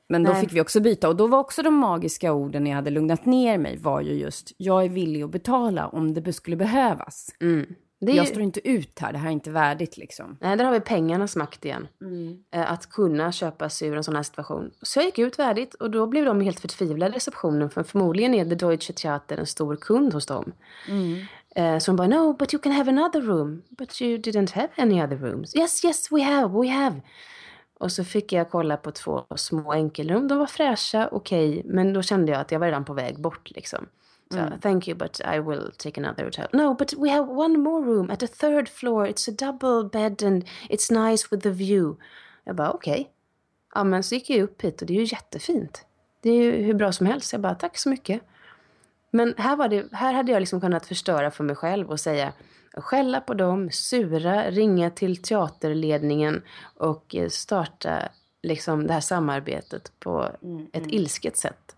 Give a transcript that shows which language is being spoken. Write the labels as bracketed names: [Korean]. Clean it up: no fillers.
[Swedish] Men fick vi också byta. Och då var också de magiska orden jag hade lugnat ner mig, var ju just: "Jag är villig att betala om det skulle behövas." Mm. Jag står inte ut här, det här är inte värdigt liksom. Nej, där har vi pengarnas makt igen. Mm. Att kunna köpa sig ur en sån här situation. Så jag gick ut värdigt och då blev de helt förtvivlade i receptionen. För förmodligen är The Deutsche Theater en stor kund hos dem. Mm. Så hon bara: [English] "No, but you can have another room. But you didn't have any other rooms." Yes, we have. [Swedish] Och så fick jag kolla på 2 små enkelrum. De var fräscha, okej. Okay, men då kände jag att jag var redan på väg bort liksom. [English] Så, "Thank you, but I will take another hotel." "No, but we have one more room at the third floor. It's a double bed and it's nice with the view." [Swedish] Jag bara: "Okej." Okay. Ja, men så gick jag upp hit och det är ju jättefint. Det är ju hur bra som helst. Jag bara: "Tack så mycket." Men här hade jag liksom kunnat förstöra för mig själv och säga, skälla på dem, sura, ringa till teaterledningen och starta liksom det här samarbetet på ett ilsket sätt.